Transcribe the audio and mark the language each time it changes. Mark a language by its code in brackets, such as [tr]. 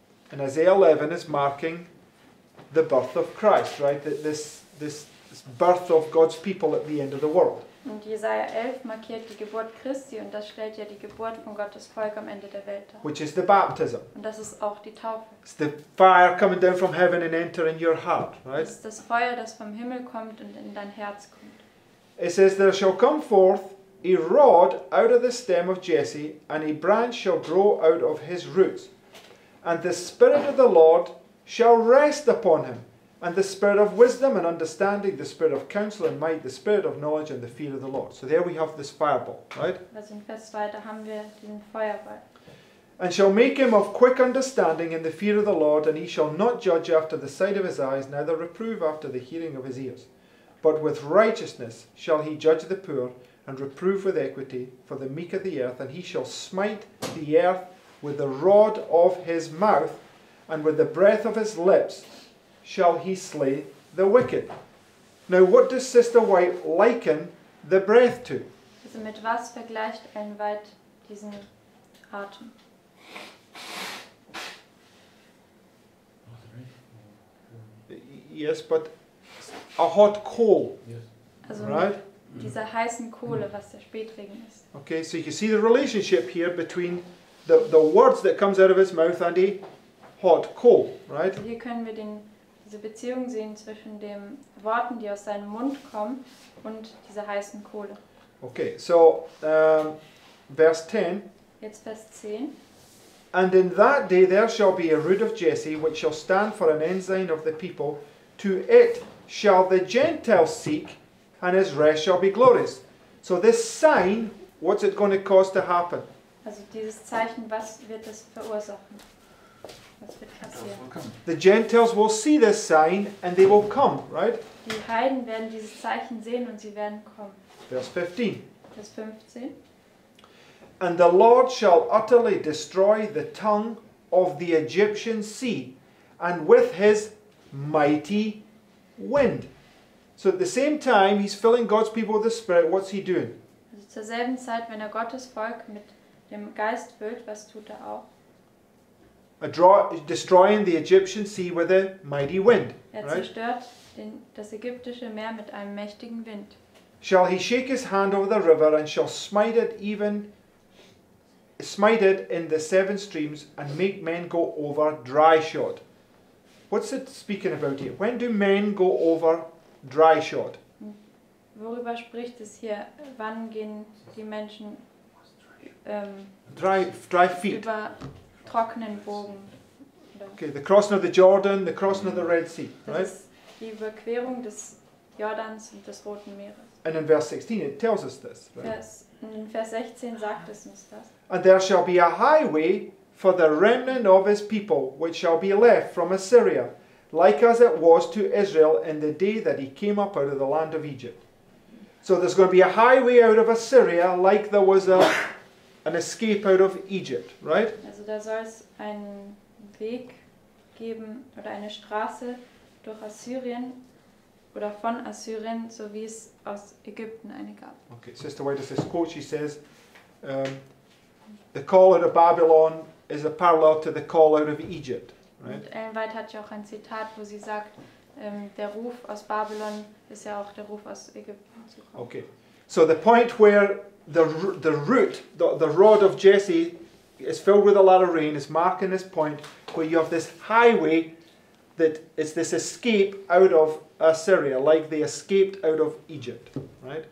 [en] And Isaiah 11 is marking the birth of Christ, right? This birth of God's people at the end of the world. [de] Und Jesaja 11 markiert die Geburt Christi und das stellt ja die Geburt von Gottes Volk am Ende der Welt dar. [en] Which is the baptism. [de] Und das ist auch die Taufe. [en] It's the fire coming down from heaven and entering your heart, right? [de] Es ist das Feuer, das vom Himmel kommt und in dein Herz kommt. [en] It says, there shall come forth a rod out of the stem of Jesse, and a branch shall grow out of his roots. And the Spirit of the Lord shall rest upon him, and the spirit of wisdom and understanding, the spirit of counsel and might, the spirit of knowledge and the fear of the Lord. So there we have this fireball, right? [de] Also in Vers 2, da haben wir diesen Feuerball. [en] And shall make him of quick understanding in the fear of the Lord, and he shall not judge after the sight of his eyes, neither reprove after the hearing of his ears. But with righteousness shall he judge the poor, and reprove with equity for the meek of the earth, and he shall smite the earth with the rod of his mouth, and with the breath of his lips shall he slay the wicked. Now, what does Sister White liken the breath to? [de] Also, mit was vergleicht Ellen White diesen Atem? [en] Yes, but a hot coal. Yes. [de] Also, right? Dieser heißen Kohle, was der Spätregen ist. [en] Okay, so you see the relationship here between the words that comes out of his mouth and a hot coal, right? [de] Hier können wir diese Beziehung sehen zwischen den Worten, die aus seinem Mund kommen, und dieser heißen Kohle. [en] Okay, so Vers 10. [de] Jetzt Vers 10. [en] And in that day there shall be a root of Jesse, which shall stand for an ensign of the people. To it shall the Gentiles seek, and his rest shall be glorious. So this sign, what's it going to cause to happen? [de] Also dieses Zeichen, was wird es verursachen? [en] The Gentiles will see this sign and they will come, right? [de] Die Heiden werden dieses Zeichen sehen und sie werden kommen. [en] Verse 15. [de] Vers 15. [en] And the Lord shall utterly destroy the tongue of the Egyptian sea, and with his mighty wind. So at the same time he's filling God's people with the Spirit, what's he doing? [de] Also zur selben Zeit, wenn Gottes Volk mit dem Geist füllt, was tut auch? [en] Destroying the Egyptian sea with a mighty wind. [de] Zerstört das ägyptische Meer mit einem mächtigen Wind. [en] Shall he shake his hand over the river and shall smite it in the seven streams and make men go over dryshod? What's it speaking about here? When do men go over dryshod? [de] Worüber spricht es hier? Wann gehen die Menschen [en] dry feet? [de] Trockenen Bogen. [en] Okay, the crossing of the Jordan, the crossing of the Red Sea, right? [de] Das ist die Überquerung des Jordans und des Roten Meeres. [en] And in verse 16 it tells us this, right? [de] Vers Und in Vers 16 sagt es uns das. [en] And there shall be a highway for the remnant of his people, which shall be left from Assyria, like as it was to Israel in the day that he came up out of the land of Egypt. So there's going to be a highway out of Assyria, like there was an escape out of Egypt, right? [de] Also da soll es einen Weg geben, oder eine Straße durch Assyrien, oder von Assyrien, so wie es aus Ägypten eine gab. [en] Okay, Sister White, this quote, she says, the call out of Babylon is a parallel to the call out of Egypt. Right. [de] Ellen White hat ja auch ein Zitat, wo sie sagt, der Ruf aus Babylon ist ja auch der Ruf aus Ägypten. [en] Okay, so the point where the root, the rod of Jesse is filled with a lot of rain is marking this point where you have this highway that is this escape out of Assyria, like they escaped out of Egypt, right?